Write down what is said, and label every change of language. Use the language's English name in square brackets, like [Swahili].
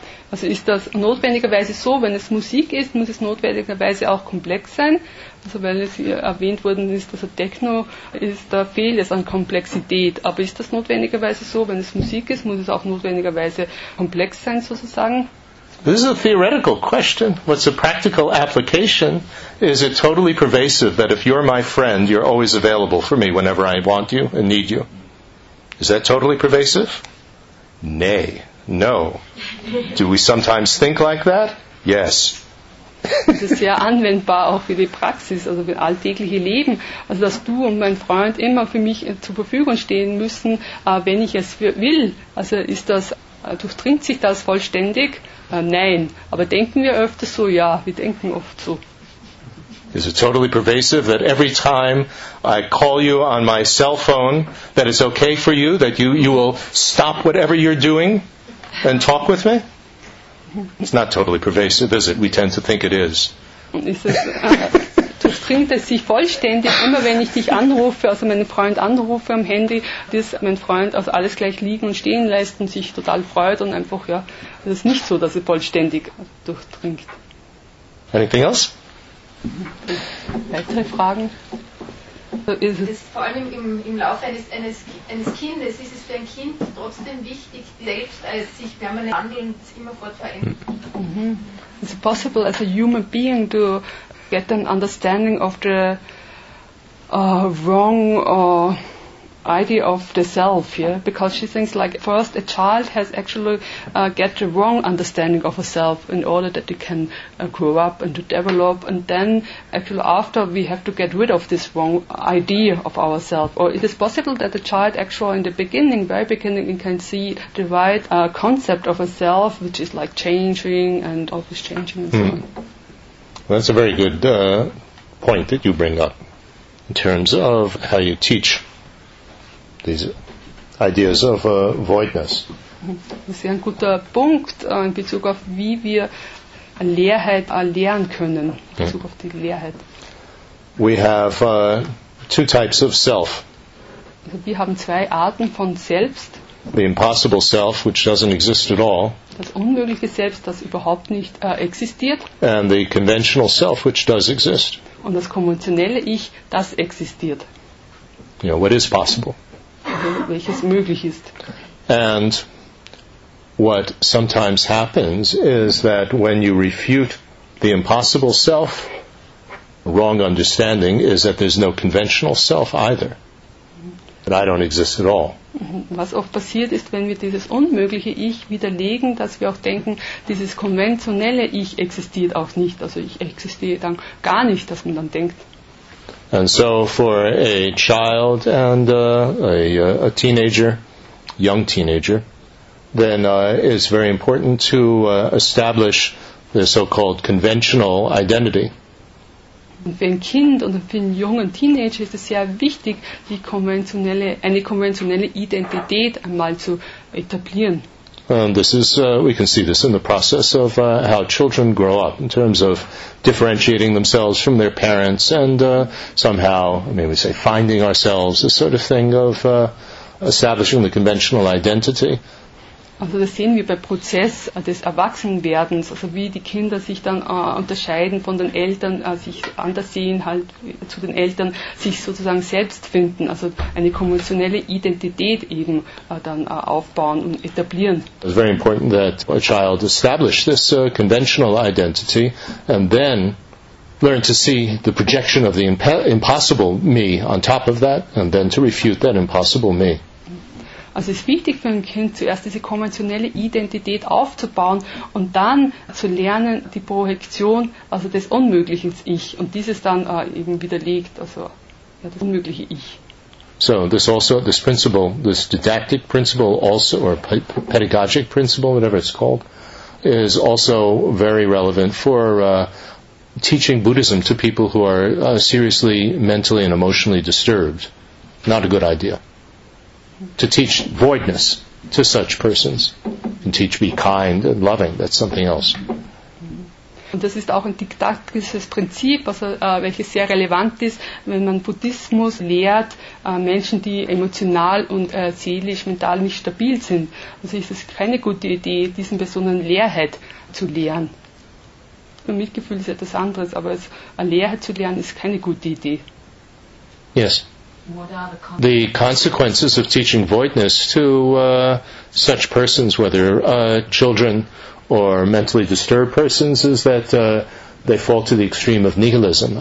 [German] Also ist das notwendigerweise so, wenn es Musik ist, muss es notwendigerweise auch komplex sein? Also weil es hier erwähnt worden ist, also Techno ist, da fehlt es an Komplexität. Aber ist das notwendigerweise so, wenn es Musik ist, muss es auch notwendigerweise komplex sein sozusagen? [English] This is a theoretical question. What's a practical application? Is it totally pervasive that if you're my friend, you're always available for me whenever I want you and need you? Is that totally pervasive? Nay. No. Do we sometimes think like that? Yes. [German] Das ist sehr anwendbar auch für die Praxis, also für das alltägliche Leben. Also dass du und mein Freund immer für mich zur Verfügung stehen müssen, wenn ich es will. Also ist das, durchdringt sich das vollständig? Nein. Aber denken wir öfter so? Ja, wir denken oft so. [English] Is it totally pervasive that every time I call you on my cell phone, that it's okay for you, that you will stop whatever you're doing and talk with me? It's not totally pervasive, is it? We tend to think it is. [German] Durchdringt es sich vollständig, immer wenn ich dich anrufe, also meinen Freund anrufe am Handy, dass mein Freund also alles gleich liegen und stehen lässt und sich total freut und einfach, ja, es ist nicht so, dass es vollständig durchdringt. [English] Anything else? [German] Weitere Fragen? Das, vor allem im Laufe eines Kindes, ist es für ein Kind trotzdem wichtig, selbst als sich permanent wandelnd immerfort verändern. Mm-hmm. [English] Is it possible as a human being to get an understanding of the wrong idea of the self, yeah? Because she thinks like first a child has actually get the wrong understanding of herself in order that they can grow up and to develop, and then actually after we have to get rid of this wrong idea of ourself. Or it is possible that the child actually in the beginning, very beginning, can see the right concept of herself, which is like changing and always changing and so on. Well, that's a very good point that you bring up in terms of how you teach these ideas of voidness. [German] Das ist ein guter Punkt in Bezug auf wie wir Leerheit erlernen können, in Bezug auf die Leerheit. [English] We have two types of self. [German] Wir haben zwei Arten von Selbst. [English] The impossible self, which doesn't exist at all. [German] Das unmögliche Selbst, das überhaupt nicht existiert. [English] And the conventional self, which does exist. [German] Und das konventionelle Ich, das existiert. [English] You know, what is possible? [German] Welches möglich ist. [English] And what sometimes happens is that when you refute the impossible self, wrong understanding is that there's no conventional self either. That I don't exist at all. [German] Was oft passiert ist, wenn wir dieses unmögliche Ich widerlegen, dass wir auch denken, dieses konventionelle Ich existiert auch nicht. Also ich existiere dann gar nicht, dass man dann denkt. [English] And so for a child and a teenager, young teenager, then it's very important to establish the so-called conventional identity. [German] Und für ein Kind und für einen jungen Teenager ist es sehr wichtig, eine konventionelle Identität einmal zu etablieren. [English] And this is, we can see this in the process of how children grow up in terms of differentiating themselves from their parents and somehow, maybe say, finding ourselves, this sort of thing of establishing the conventional identity. [German] Also das sehen wir bei Prozess des Erwachsenwerdens, also wie die Kinder sich dann unterscheiden von den Eltern, sich anders sehen, halt zu den Eltern, sich sozusagen selbst finden, also eine konventionelle Identität eben dann aufbauen und etablieren. [English] It's very important that a child establish this conventional identity and then learn to see the projection of the impossible me on top of that and then to refute that impossible me. [German] Also es ist wichtig für ein Kind, zuerst diese konventionelle Identität aufzubauen und dann zu lernen, die Projektion, also des unmöglichen Ich, und dieses dann eben widerlegt, also ja, das unmögliche Ich. [English] So, this didactic principle also, or pedagogic principle, whatever it's called, is also very relevant for teaching Buddhism to people who are seriously mentally and emotionally disturbed. Not a good idea. To teach voidness to such persons and teach be kind and loving, that's something else. [German] Und das ist auch ein didaktisches Prinzip, also, welches sehr relevant ist, wenn man Buddhismus lehrt, Menschen, die emotional und seelisch, mental nicht stabil sind. Also ist es keine gute Idee, diesen Personen Leerheit zu lehren. Und Mitgefühl ist etwas anderes, aber Leerheit zu lehren ist keine gute Idee. [English] Yes. The consequences of teaching voidness to such persons, whether children or mentally disturbed persons, is that they fall to the extreme of nihilism.